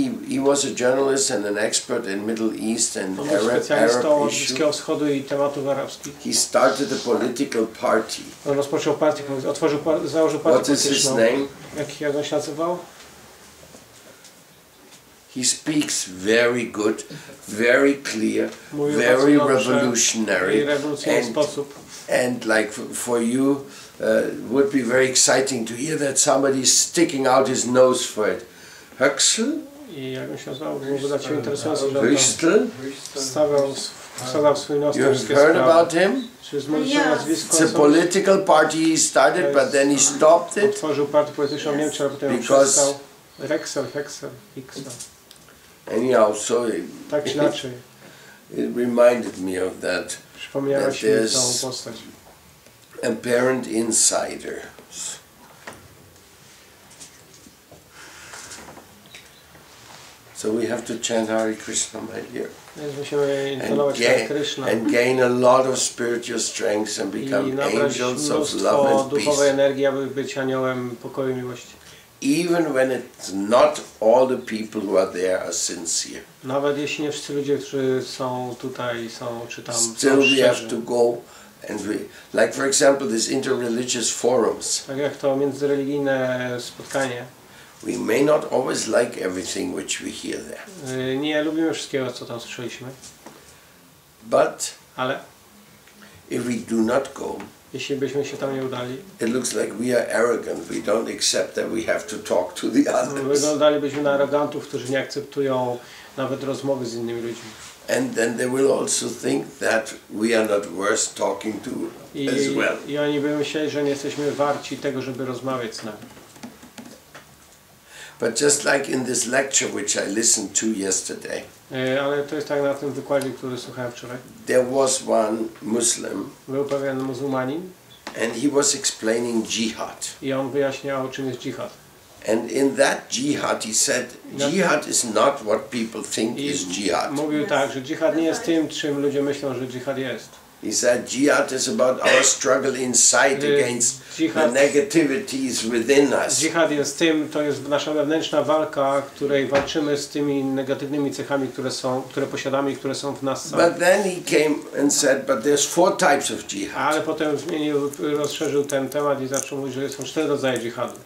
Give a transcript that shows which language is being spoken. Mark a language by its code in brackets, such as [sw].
[en] He was a journalist and an expert in Middle East and Arab issues. He started a political party. [pl] On rozpoczął partię, otworzył, założył partię polityczną. [en] What is his name? [pl] Jak on się nazywał? [en] He speaks very good, very clear, very revolutionary, and like for you, would be very exciting to hear that somebody is sticking out his nose for it. Huxley? You have heard about him? Yes. It's a political party he started, but then he stopped it. Because Huxley. Anyhow, so [pl] tak czy inaczej, [en] it reminded me of that. [pl] Przypomniała się mi tą postać. [en] Apparent insider. So we have to chant Hare Krishna, my dear. And gain a lot of spiritual strength and become angels of love and peace. [pl] I duchowej energii, aby być aniołem pokoju i miłości. [en] Even when it's not all the people who are there are sincere. [pl] Nawet jeśli nie wszyscy ludzie, którzy są tutaj, są czy tam. [en] Still we have to go and we, like for example, these interreligious forums. [pl] Tak jak to międzyreligijne spotkanie. [en] We may not always like everything which we hear there. [pl] Nie lubimy wszystkiego, co tam słyszeliśmy. [en] But. [pl] Ale. [en] If we do not go. [pl] Jeśli byśmy się tam nie udali. [en] It looks like we are arrogant. We don't accept that we have to talk to the others. [pl] Wyglądalibyśmy na arogantów, którzy nie akceptują nawet rozmowy z innymi ludźmi. [en] And then they will also think that we are not worth talking to as well. [pl] I oni by myśleli, że nie jesteśmy warci tego, żeby rozmawiać z nami. [en] But just like in this lecture which I listened to yesterday. [pl] Ale to jest tak na tym wykładzie, który słuchałem wczoraj. [en] There was one Muslim. [pl] Był pewien muzułmanin. [en] And he was explaining jihad. [pl] I on wyjaśniał, czym jest jihad. [en] And in that jihad he said jihad is not what people think is jihad. [pl] Mówił tak, że jihad nie jest tym, czym ludzie myślą, że jihad jest. [en] He said jihad is about our struggle inside against the negativities within us. [pl] Jihad jest tym, to jest nasza wewnętrzna walka, której walczymy z tymi negatywnymi cechami, które posiadamy i które są w nas samych. [en] But then he came and said, but there's four types of jihad. [pl] Ale potem zmienił, rozszerzył ten temat i zaczął mówić, że są cztery rodzaje jihadu.